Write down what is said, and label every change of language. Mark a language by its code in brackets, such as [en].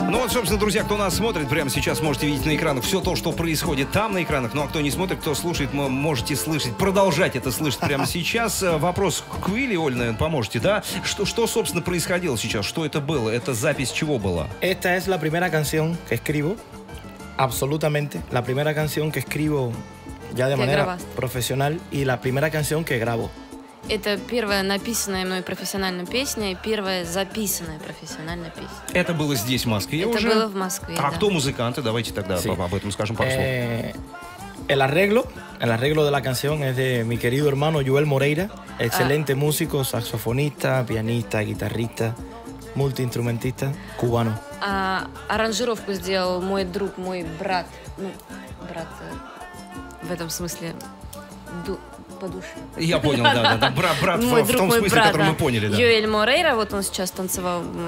[ru] собственно, друзья, кто нас смотрит, прямо сейчас можете видеть на экранах все то, что происходит там на экранах. Ну, а кто не смотрит, кто слушает, можете слышать, продолжать это слышать прямо сейчас. Вопрос к Вилли, Оль, наверное, поможете, да? Что, собственно, происходило сейчас? Что это было? Это запись чего была? [es] Это es la primera canción que escribo. Absolutamente. La primera canción que escribo ya de manera profesional. Y la primera canción que grabo. [ru] Это первая написанная мной профессиональная песня и первая записанная профессиональная песня. Это было здесь, в Москве это уже? Это было в Москве, а да. А кто музыканты? Давайте тогда sí. Об этом скажем пару слов. [es] El arreglo de la canción es de mi querido hermano Joel Moreira. Excelente músico, саксофонista, пианista, гитарista, мультиинструментista, кубано. [ru] А аранжировку сделал мой друг, мой брат. Ну, брат в этом смысле... По душе. Я понял, да, да, да. Брат мой в том смысле, который мы поняли, да. Юэль Морейра, вот он сейчас танцевал.